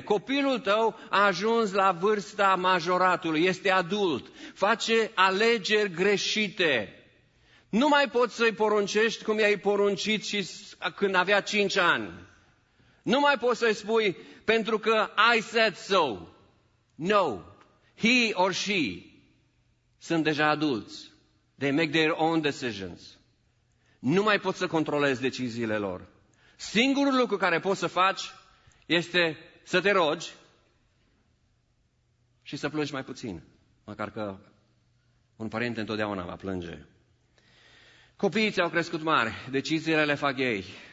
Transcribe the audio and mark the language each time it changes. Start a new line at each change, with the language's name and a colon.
Romanian: Copilul tău a ajuns la vârsta majoratului, este adult, face alegeri greșite. Nu mai poți să-i poruncești cum i-ai poruncit și când avea 5 ani. Nu mai poți să-i spui, pentru că
English: I said so. No, he or she
Romanian: sunt deja adulți.
English: They make their own decisions.
Romanian: Nu mai poți să controlezi deciziile lor. Singurul lucru care poți să faci este să te rogi și să plângi mai puțin. Măcar că un părinte întotdeauna va plânge. Copiii ți-au crescut mari, deciziile le fac ei.